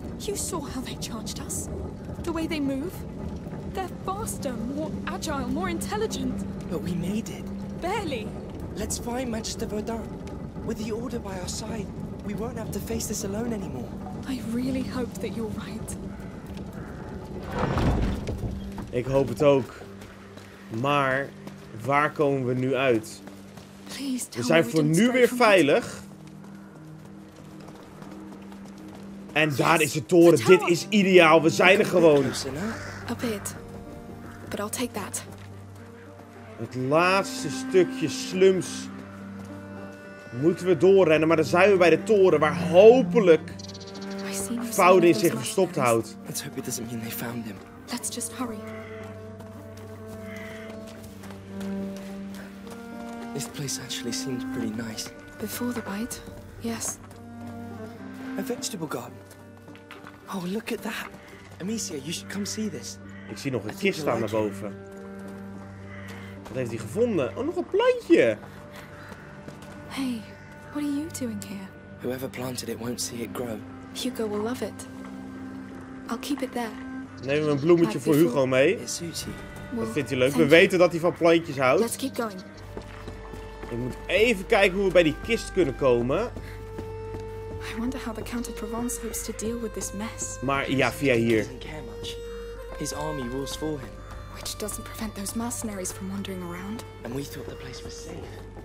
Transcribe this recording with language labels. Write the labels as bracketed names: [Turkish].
[English] You saw how they charged us. The way they move. They're faster, more agile, more intelligent. But we made it. Barely. Let's find Magister Verdun. With the order by our side, we won't have to face this alone anymore. I really hope that you're right. [Dutch] Ik hoop het ook. Maar waar komen we nu uit? We zijn voor nu weer veilig. En daar is de toren. Dit is ideaal. We zijn er gewoon. [English] A bit. But I'll take that. [Dutch] Het laatste stukje slums moeten we doorrennen, maar dan zijn we bij de toren waar hopelijk Foudin zich verstopt houdt. [English] Let's hope it doesn't mean they found him. Let's just hurry. This place actually seemed pretty nice. Before the bite, yes. A vegetable garden. Oh, look at that. Amicia, you should come see this. [Dutch] Ik zie nog een kist staan naar boven. Wat heeft hij gevonden? Oh, nog een plantje. [English] Hey, what are you doing here? Whoever planted it won't see it grow. Hugo will love it. I'll keep it there. [Dutch] Neem een bloemetje like voor before. Hugo mee. Dat vindt hij leuk. [English] Thank [Dutch] we weten dat hij van plantjes houdt. [English] Let's keep going. [Dutch] Ik moet even kijken hoe we bij die kist kunnen komen. [English] I wonder how the Count of Provence hopes to deal with this mess. [Dutch] Maar ja, via hier. [English] His army rules for him. Which doesn't prevent those mercenaries from wandering around. And we thought the place was safe.